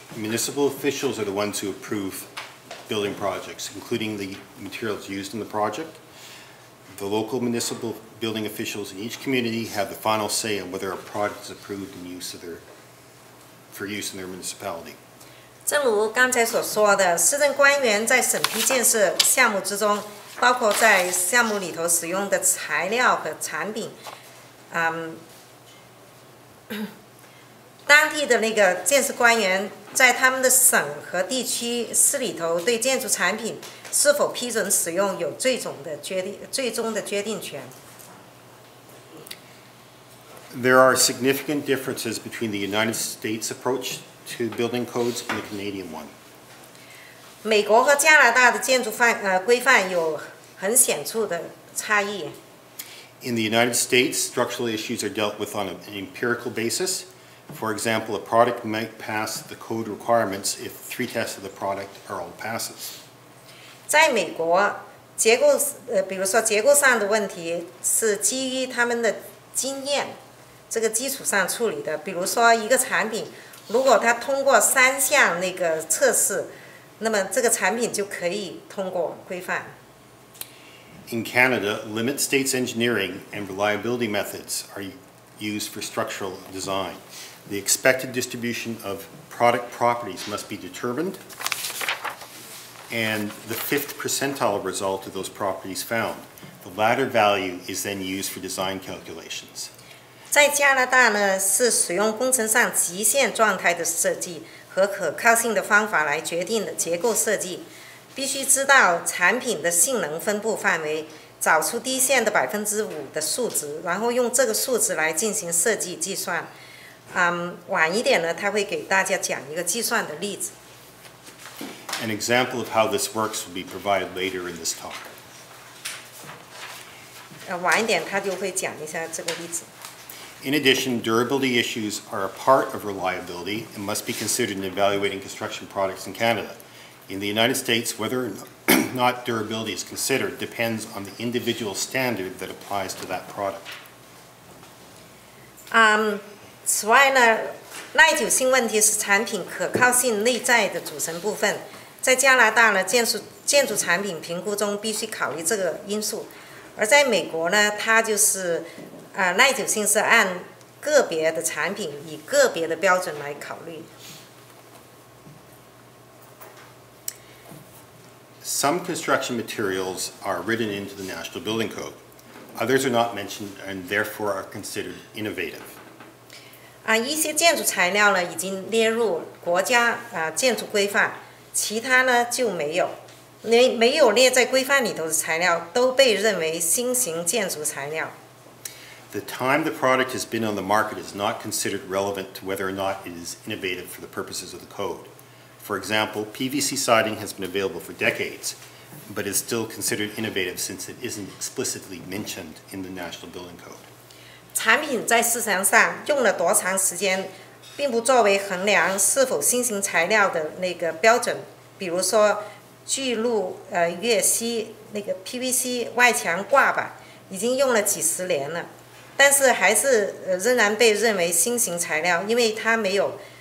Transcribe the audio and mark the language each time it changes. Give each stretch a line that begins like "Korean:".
English: Municipal officials are the ones who approve building projects, including the materials used in the project. The local municipal building officials in each community have the final say on whether a project is approved in use of for use in their municipality.
Chinese: 正如刚才所说的，市政官员在审批建设项目之中，包括在项目里头使用的材料和产品，当地的那个建设官员在他们的省和地区市里头对建筑产品是否批准使用有最终的决定权。
English: There are significant differences between the United States approach to building codes and the Canadian one.
Chinese: 美国和加拿大的建筑规范有很显著的差异。
English: In the United States, structural issues are dealt with on an empirical basis. For example, a product might pass the code requirements if 3 tests of the product are all passes.
Chinese: 在美国，比如说结构上的问题是基于他们的经验，这个基础上处理的。比如说一个产品，如果它通过三项那个测试，那么这个产品就可以通过规范。
English: In Canada, limit states engineering and reliability methods are used for structural design. The expected distribution of product properties must be determined, and the fifth percentile result of those properties found. The latter value is then used for design calculations.
Chinese: 在加拿大呢，是使用工程上极限状态的设计和可靠性的方法来决定的结构设计。必须知道产品的性能分布范围，找出低限的5%的数值，然后用这个数值来进行设计计算。晚一点呢，他会给大家讲一个计算的例子。
English: An example of how this works will be provided later in this talk.
Chinese: 晚一点他就会讲一下这个例子。
English: In addition, durability issues are a part of reliability and must be considered in evaluating construction products in Canada. In the United States, whether or not durability is considered depends on the individual standard that applies to that product.
Chinese: 此外呢，耐久性问题是产品可靠性内在的组成部分。在加拿大呢，建筑产品评估中必须考虑这个因素。而在美国呢，它就是耐久性是按个别的产品以个别的标准来考虑。
English: Some construction materials are written into the National Building Code. Others are not mentioned and therefore are considered innovative.
Chinese: 一些建筑材料呢已经列入国家建筑规范，其他呢就没有。没有列在规范里头的材料都被认为新型建筑材料。
English: The time the product has been on the market is not considered relevant to whether or not it is innovative for the purposes of the code. For example, PVC siding has been available for decades, but is still considered innovative since it isn't explicitly mentioned in the National Building Code.
Chinese: 产品在市场上用了多长时间，并不作为衡量是否新型材料的那个标准。比如说，聚氯越烯那个 PVC 外墙挂板已经用了几十年了，但是还是仍然被认为新型材料，因为它没有。